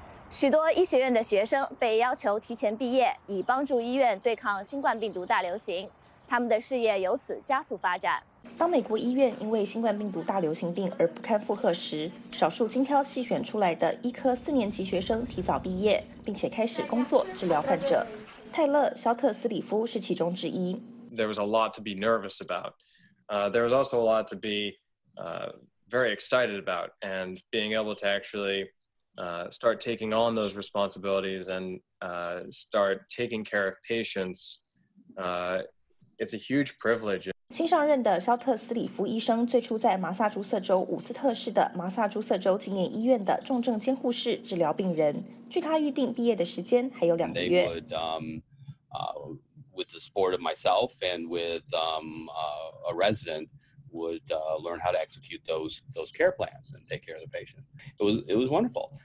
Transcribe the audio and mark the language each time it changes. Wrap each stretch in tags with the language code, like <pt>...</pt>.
<zh>许多医学院的学生被要求提前毕业，以帮助医院对抗新冠病毒大流行，他们的事业由此加速发展。当美国医院因为新冠病毒大流行病而不堪负荷时，少数精挑细选出来的医科四年级学生提早毕业，并且开始工作治疗患者。泰勒·肖特斯里夫是其中之一。</zh> <en>There was a lot to be nervous about. There was also a lot to be very excited about, and being able to actually start taking on those responsibilities and start taking care of patients. It's a huge privilege.</en> <zh>新上任的肖特斯里夫医生最初在马萨诸塞州伍斯特市的马萨诸塞州纪念医院的重症监护室治疗病人。据他预定毕业的时间还有两个月。</zh> <en>They would, with the support of myself and with a resident, would learn how to execute those care plans and take care of the patient. It was wonderful.</en>